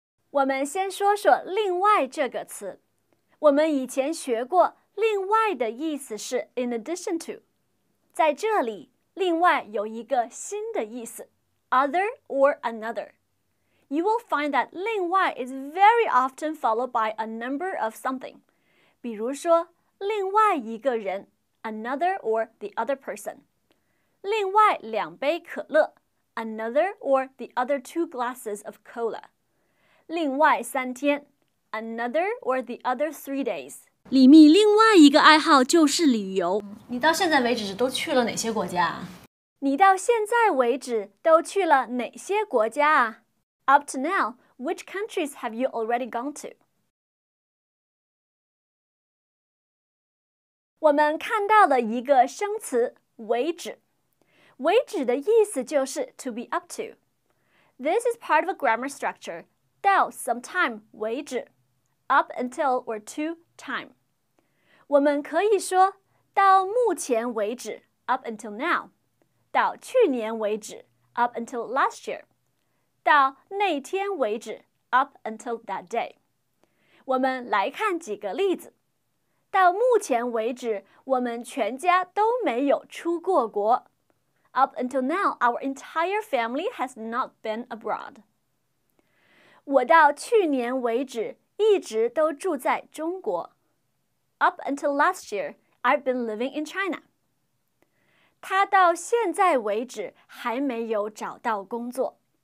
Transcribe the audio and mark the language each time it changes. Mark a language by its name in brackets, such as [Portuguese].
[Chinese] 我们先说说另外这个词。我们以前学过另外的意思是 [English] in addition to。 [Chinese] 在这里另外有一个新的意思。 [English] Other or another. You will find that 另外 is very often followed by a number of something. [Chinese] 比如说另外一个人 [English] another or the other person. [Chinese] 另外两杯可乐 [English] another or the other two glasses of cola. [Chinese] 另外三天 [English] another or the other three days. [Chinese] 李密另外一个爱好就是旅游。你到现在为止都去了哪些国家啊？你到现在为止都去了哪些国家啊？ [English] Up to now, which countries have you already gone to? [Chinese] 我们看到了一个生词为止。为止的意思就是 [English] to be up to. This is part of a grammar structure, 到 sometime 为止 up until or to time. [Chinese] 我们可以说到目前为止 [English] up until now. [Chinese] 到去年为止 [English] up until last year, [Chinese] 到那天为止 [English] up until that day. [Chinese] 我们来看几个例子。到目前为止我们全家都没有出过国。 [English] Up until now, our entire family has not been abroad. [Chinese] 我到去年为止一直都住在中国。 [English] Up until last year, I've been living in China. [Chinese] 他到现在为止还没有找到工作。